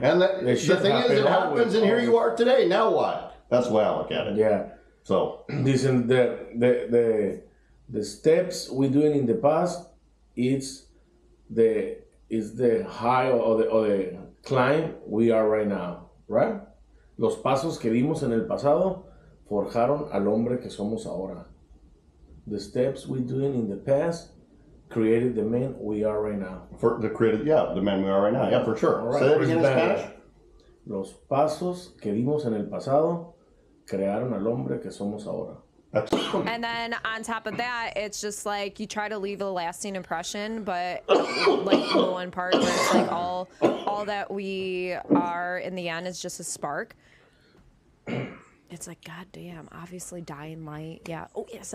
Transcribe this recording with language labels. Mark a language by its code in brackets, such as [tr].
[en] And the thing is, it happens, and here you are today. Now what? That's the way I look at it. Yeah. So this and the steps we're doing in the past, it's the high or the climb we are right now, right? [es] Los pasos que dimos en el pasado forjaron al hombre que somos ahora. [en] The steps we're doing in the past created the man we are right now. The man we are right now. Yeah, for sure. All right. Say that again in Spanish. [es] Los pasos que dimos en el pasado crearon al hombre que somos ahora. [en] And then on top of that, it's just like you try to leave a lasting impression, but like the one part where it's like all that we are in the end is just a spark. It's like, goddamn, obviously Dying Light. Yeah. Oh, yes.